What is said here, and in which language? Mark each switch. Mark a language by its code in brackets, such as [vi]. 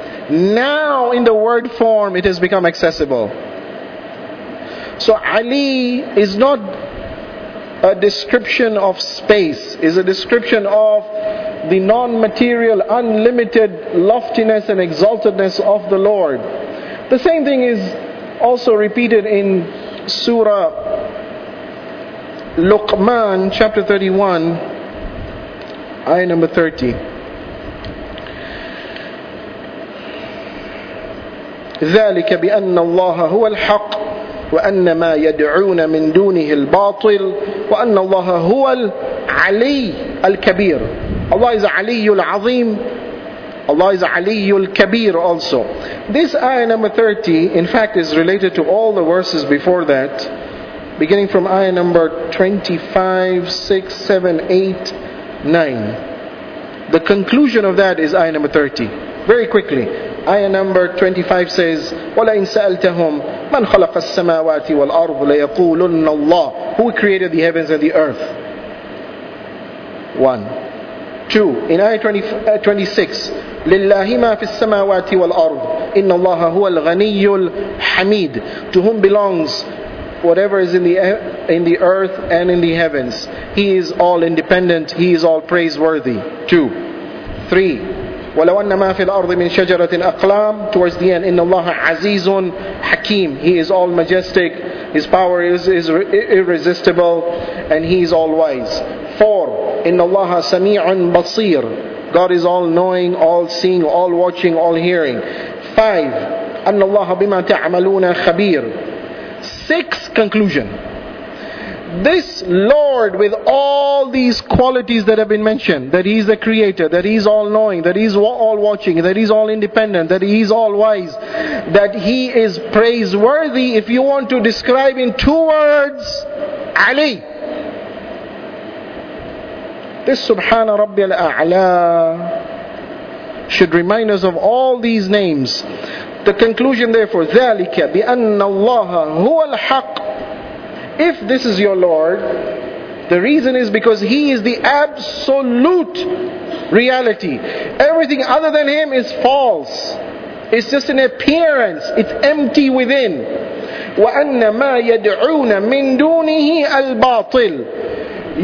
[en] Now in the word form, it has become accessible. So Ali is not a description of space, is a description of the non-material, unlimited loftiness and exaltedness of the Lord. The same thing is also repeated in Surah Luqman, chapter 31, ayah number 30. [ar] ذلك بأن الله هو الحق وأن ما يدعون من دونه الباطل وأن الله هو العلي الكبير. [en] Allah is Ali al-Azim. Allah is Ali al-Kabir also. This ayah number 30, in fact, is related to all the verses before that, beginning from ayah number 25, 6, 7, 8, 9. The conclusion of that is ayah number 30. Very quickly. Ayah number 25 says, [ar] وَلَئِن سَأَلْتَهُمْ مَنْ خَلَقَ السَّمَاوَاتِ وَالْأَرْضُ لَيَقُولُنَّ اللَّهُ. [en] Who created the heavens and the earth? 1. 2. In ayah 26, [ar] لِلَّهِ مَا فِي السَّمَاوَاتِ وَالْأَرْضُ إِنَّ اللَّهَ هُوَ الْغَنِيُّ الْحَمِيدُ. [en] To whom belongs whatever is in the earth and in the heavens. He is all independent. He is all praiseworthy. 2. 3. [ar] وَلَوْ أَنَّ مَا فِي الْأَرْضِ مِنْ شَجَرَةٍ أَقْلَامٍ. [en] Towards the end, [ar] إِنَّ اللَّهَ عَزِيزٌ حَكِيمٌ. [en] He is all majestic, his power is irresistible, and he is all wise. [ar] 4. إِنَّ اللَّهَ سَمِيعٌ بَصِيرٌ. [en] God is all knowing, all seeing, all watching, all hearing. [ar] 5. أَنَّ اللَّهَ بِمَا تَعْمَلُونَ خَبِيرٌ. [en] 6. Conclusion. This Lord with all these qualities that have been mentioned, that He is the Creator, that He is all-knowing, that He is all-watching, that He is all-independent, that He is all-wise, that He is praiseworthy, if you want to describe in two words, Ali. This Subhana Rabbi al-A'la should remind us of all these names. The conclusion therefore, [ar] ذَلِكَ بِأَنَّ اللَّهَ هُوَ الْحَقِّ. [en] If this is your Lord, the reason is because He is the absolute reality. Everything other than Him is false. It's just an appearance. It's empty within. [ar] وَأَنَّ مَا يَدْعُونَ مِنْ دُونِهِ الْبَاطِلِ.